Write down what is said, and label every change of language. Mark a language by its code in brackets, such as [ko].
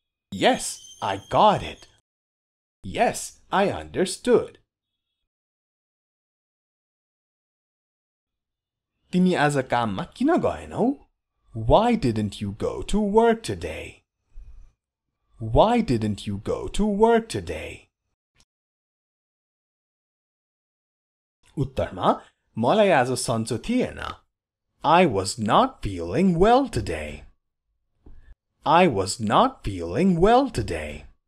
[en] Yes, I got it. Yes, I understood. [ne] तिमी आज काममा किन गएनौ? [en] Why didn't you go to work today? Why didn't you go to work today? [ne] उत्तरमा मलाई आज सन्चो थिएन. [en] I was not feeling well today. I was not feeling well today.